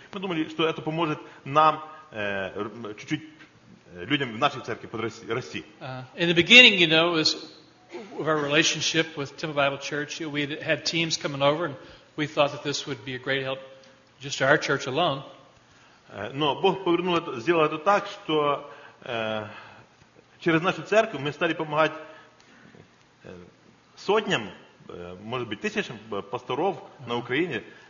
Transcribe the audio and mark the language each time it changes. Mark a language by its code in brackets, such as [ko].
[ru] Мы думали, что это поможет нам чуть-чуть людям в нашей церкви подрасти. [en] In the beginning, you know, was of our relationship with Temple Bible Church, we had teams coming over, and we thought that this would be a great help just to our church alone. [ru] Но Бог повернул это, сделал это так, что через нашу церковь мы стали помогать сотням, может быть, тысячам пасторов на Украине.